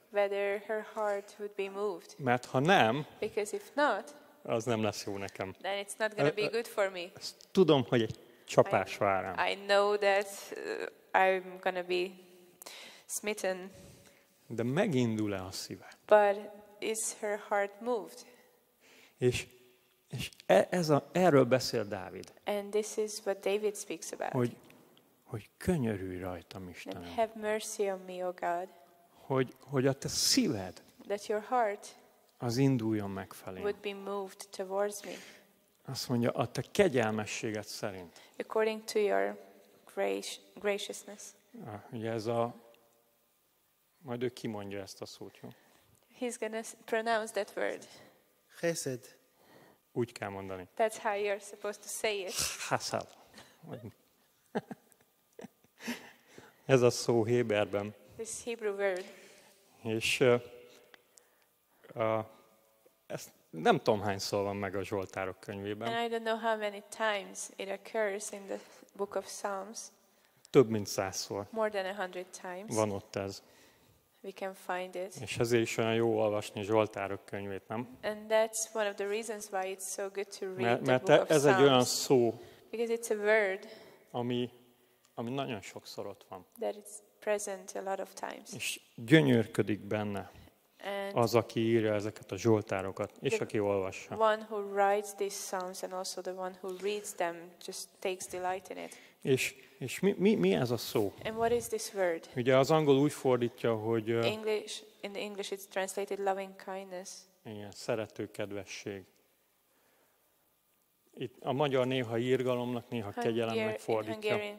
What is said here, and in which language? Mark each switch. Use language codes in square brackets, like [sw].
[en] Whether her heart would be moved. [hu] Mert ha nem, [en] because if not, [hu] az nem lesz jó nekem. [en] Then it's not going to be good for me. [hu] Tudom, hogy egy csapás vár rám. [en] I know that I'm going to be smitten. [hu] De megindul-e a szíve. [en] But is her heart moved? [hu] És ez a, erről beszél Dávid. [en] And this is what David speaks about. [hu] Hogy könyörülj rajtam, Istenem. [en] And have mercy on me, O God. [hu] Hogy a te szíved [en] that your heart [hu] az induljon meg felém. [en] Would be moved towards me. [hu] Azt mondja, a te kegyelmességed szerint. [en] According to your graciousness. [hu] Ugye ez a... Majd ő kimondja ezt a szót, jó? [en] He's gonna pronounce that word. [he] Chesed. [hu] Úgy kell mondani. [en] That's how you're supposed to say it. [he] Chesed. [hu] Ez a szó héberben. [en] This Hebrew word. [hu] És ezt nem tudom hány szó van meg a Zsoltárok könyvében. [en] And I don't know how many times it occurs in the book of Psalms. [hu] Több mint 100-szor. [en] More than 100 times. [hu] Van ott ez. [en] We can find it. [hu] És ezért is olyan jó olvasni Zsoltárok könyvét, nem? [en] And that's one of the reasons why it's so good to read [hu] mert, [en] the book [hu] ez [en] of Psalms. [hu] Egy olyan szó. [en] Because it's a word. [hu] Ami nagyon sokszor ott van. [en] That is present a lot of times. [hu] És gyönyörködik benne and az, aki írja ezeket a zsoltárokat, és aki olvassa. [en] One who writes these psalms and also the one who reads them just takes delight in it. [hu] És mi ez a szó? [en] And what is this word? [hu] Ugye az angol úgy fordítja, hogy [en] English, in the English it's translated loving kindness. [hu] Igen, szerető kedvesség. Itt a magyar néha írgalomnak, néha kegyelemnek fordítja.